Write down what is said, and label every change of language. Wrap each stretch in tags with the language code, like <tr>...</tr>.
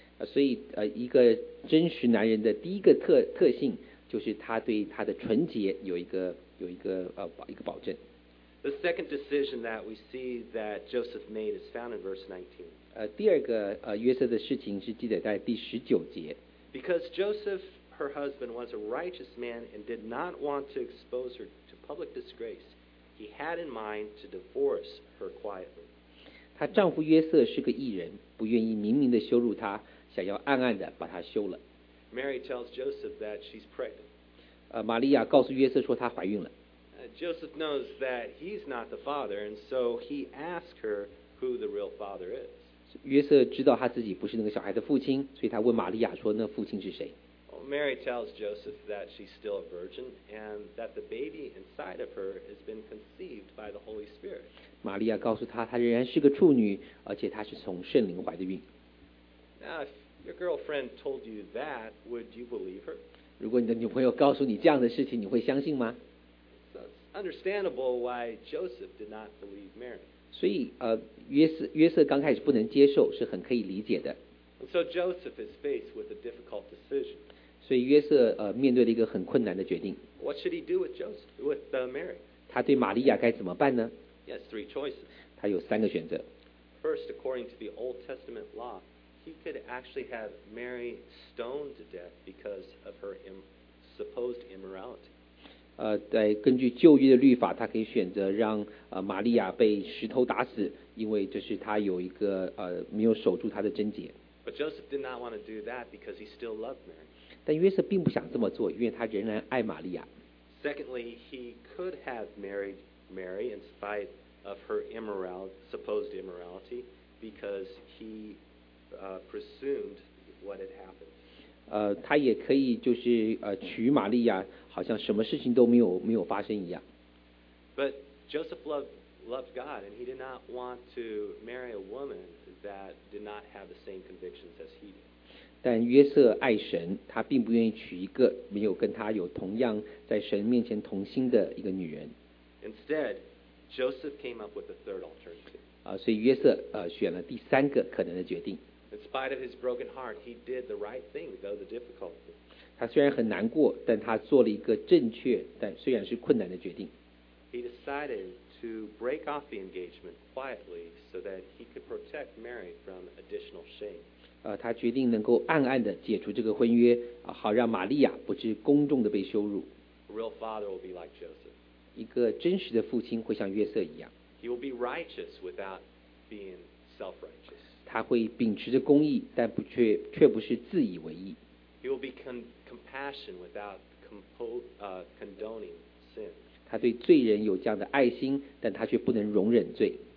<zh>所以一个真实男人的第一个特性就是他对他的纯洁有一个保证。</zh> <en>The second decision that we see that Joseph made is found in verse 19.</en> <zh>第二个约瑟的事情是记载在第十九节。</zh> <en>Because Joseph, her husband, was a righteous man and did not want to expose her to public disgrace, he had in mind to divorce her quietly.</en> <zh>她丈夫约瑟是个义人，不愿意明明的羞辱她。想要暗暗的把她休了。</zh> <en>Mary tells Joseph that she's pregnant.</en> <zh>玛利亚告诉约瑟说她怀孕了。</zh> <en>Joseph knows that he's not the father, and so he asks her who the real father is.</en> <zh>约瑟知道他自己不是那个小孩的父亲，所以他问玛利亚说那父亲是谁。</zh> <en>Mary tells Joseph that she's still a virgin and that the baby inside of her has been conceived by the Holy Spirit.</en> <zh>玛利亚告诉他，她仍然是个处女，而且她是从圣灵怀的孕。</zh> <en>Now, if your girlfriend told you that, would you believe her?</en> <zh>如果你的女朋友告诉你这样的事情，你会相信吗？</zh> <en>So it's understandable why Joseph did not believe Mary.</en> <zh>所以约瑟刚开始不能接受，是很可以理解的。</zh> <en>And so Joseph is faced with a difficult decision.</en> <zh>所以约瑟面对了一个很困难的决定。</zh> <en>What should he do with Mary?</en> <zh>他对玛利亚该怎么办呢？</zh> <en>He has 3 choices.</en> <zh>他有三个选择。</zh> <en>First, according to the Old Testament law,He could actually have Mary stoned to death because of her supposed immorality.</en> <zh>在根据旧约的律法，他可以选择让玛利亚被石头打死，因为这是他有一个没有守住他的贞洁。</zh> <en>But Joseph did not want to do that because he still loved Mary.</en> <zh>但约瑟并不想这么做，因为他仍然爱玛利亚。</zh> <en>Secondly, he could have married Mary in spite of her supposed immorality because he. Presumed what had happened.</en> <zh>他也可以就是娶玛利亚，好像什么事情都没有发生一样。</zh> <en>But Joseph loved loved God, and he did not want to marry a woman that did not have the same convictions as he did.</en> <zh>但约瑟爱神，他并不愿意娶一个没有跟他有同样在神面前同心的一个女人。</zh> <en>Instead, Joseph came up with the third alternative.</en> <zh>所以约瑟选了第三个可能的决定。</zh> <en>In spite of his broken heart, he did the right thing, though the difficulty.</en> <zh>他虽然很难过，但他做了一个正确但虽然是困难的决定。</zh> <en>He decided to break off the engagement quietly so that he could protect Mary from additional shame.</en> <zh>他决定能够暗暗地解除这个婚约，好让玛利亚不知公众地被羞辱。</zh> <en>A real father will be like Joseph.</en> <zh>一个真实的父亲会像约瑟一样。</zh> <en>He will be righteous without being self-righteous.</en> <zh>他会秉持着公义，但却不是自以为意。</zh> <en>He will be compassion without condoning sin.</en> <zh>他对罪人有这样的爱心，但他却不能容忍罪。</zh>